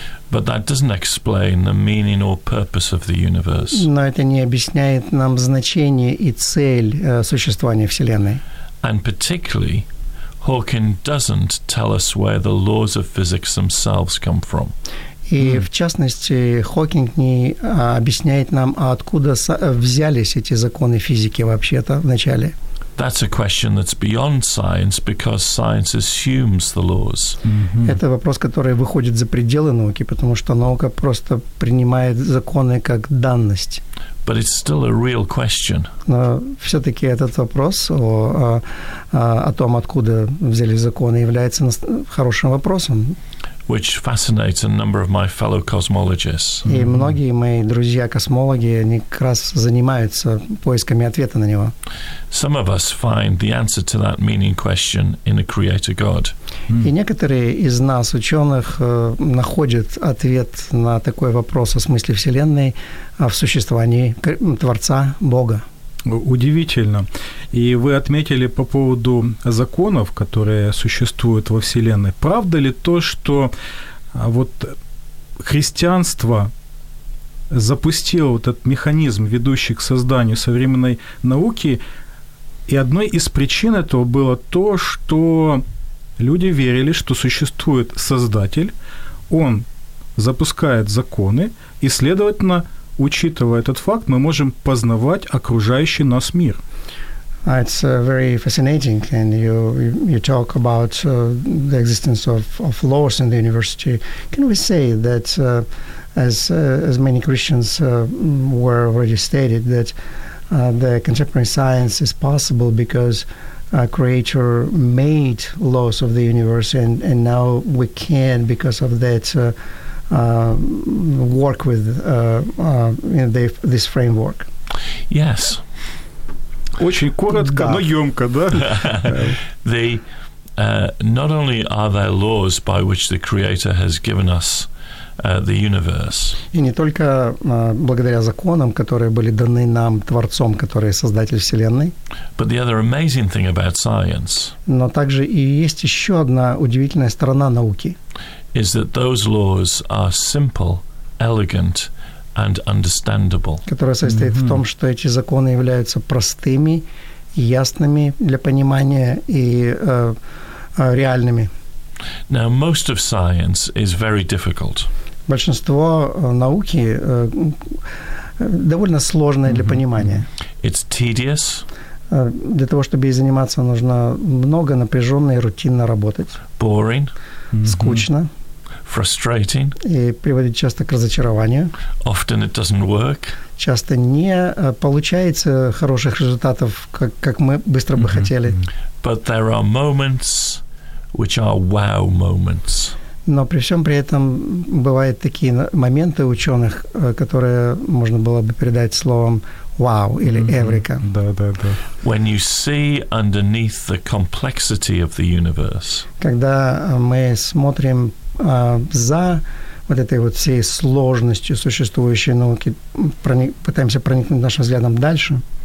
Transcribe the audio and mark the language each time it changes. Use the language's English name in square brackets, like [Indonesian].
[English] But that doesn't explain the meaning or purpose of the universe. [Russian] Но это не объясняет нам значение и цель существования Вселенной. [English] And particularly, Hawking doesn't tell us where the laws of physics themselves come from. [Russian] И в частности, Хокинг не объясняет нам, откуда взялись эти законы физики вообще-то вначале. [English] That's a question that's beyond science because science assumes the laws. [Russian] Это вопрос, который выходит за пределы науки, потому что наука просто принимает законы как данность. [English] But it's still a real question. [Russian] Но все-таки этот вопрос о том, откуда взялись законы, является хорошим вопросом. [English] Which fascinates a number of my fellow cosmologists. [Russian] И многие мои друзья-космологи, они как раз занимаются поисками ответа на него. [English] Some of us find the answer to that meaning question in a creator God. [Russian] И некоторые из нас, ученых, находят ответ на такой вопрос о смысле Вселенной, о существовании Творца Бога. Удивительно. И вы отметили по поводу законов, которые существуют во Вселенной. Правда ли то, что вот христианство запустило вот этот механизм, ведущий к созданию современной науки, и одной из причин этого было то, что люди верили, что существует Создатель, он запускает законы, и, следовательно, учитывая этот факт, мы можем познавать окружающий нас мир. [English] It's very fascinating, and you talk about the existence of laws in the university. Can we say that, as many Christians were already stated, that the contemporary science is possible because a creator made laws of the universe, and now we can because of that work with this framework. Yes. [Russian] Очень коротко, но ёмко, да? [English] Not only are there laws by which the Creator has given us the universe. [Russian] И не только благодаря законам, которые были даны нам Творцом, который создатель Вселенной. [English] But the other amazing thing about science. [Russian] Но также и есть еще одна удивительная сторона науки. [English] Is that those laws are simple, elegant, and understandable. [Russian] Которая состоит mm-hmm. в том, что эти законы являются простыми, ясными для понимания и реальными. [English] Now, most of science is very difficult. [Russian] Большинство науки довольно сложное mm-hmm. для понимания. [English] It's tedious. [Russian] Для того, чтобы ей заниматься, нужно много напряженно и рутинно работать. [English] Boring. [Russian] Скучно. [English] Frustrating. [Russian] И приводит часто к разочарованию. [English] Often it doesn't work. [Russian] Часто не получается хороших результатов, как мы быстро бы mm-hmm. хотели. [English] But there are moments which are wow moments. [Russian] Но при всем при этом бывают такие моменты ученых, которые можно было бы передать словом «вау» или «эврика». Да-да-да. [English] When you see underneath the complexity of the universe. [Russian] Когда мы смотрим за вот этой вот всей сложностью существующей науки, пытаемся проникнуть нашим взглядом дальше.